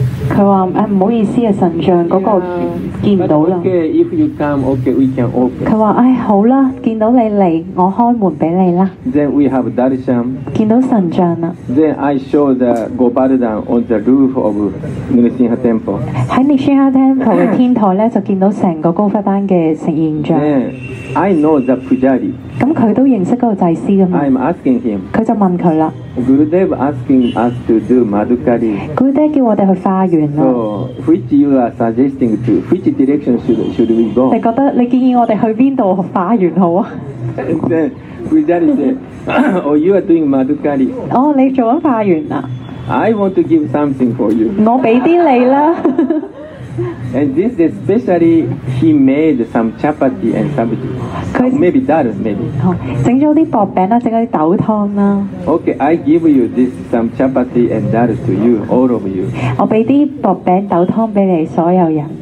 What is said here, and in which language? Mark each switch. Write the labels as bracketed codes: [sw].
[yue] 佢話：唔好意思啊，神像嗰個見唔到啦。 [en] Okay, if you come, okay, we can open. [yue] 佢話：唉，好啦，見到你嚟，我開門俾你啦。 [en] Then we have darshan. [yue] 見到神像啦。 [en] Then I show the Govardhan on the roof of Nrisimha Temple. [yue] 喺Nrisimha Temple 嘅天台咧，就見到成個 Govardhan 嘅形象。 [en] Then I know the Pujari. [yue] 咁佢都認識嗰個祭司噶嘛。 [en] I'm asking him. [yue] 佢就問佢啦。 [en] Gurudev asking us to do Madhukari. [yue] Gurudev 叫我哋去化緣咯。 [en] So which you are suggesting to? Which direction should we go? [yue] 你覺得你建議我哋去邊度化緣好啊？ [en] Then Pujari said, "Oh, you are doing Madhukari." [yue] 哦，你做咗化緣啊 [en] ？I want to give something for you. [yue] 我俾啲你啦。 [en] And this especially, he made some chapati and sabji. Maybe dal, maybe. [yue] 整咗啲薄餅啦，整咗啲豆湯啦。 [en] Okay, I give you this some chapati and dal to you, all of you. [yue] 我俾啲薄餅豆湯俾你所有人。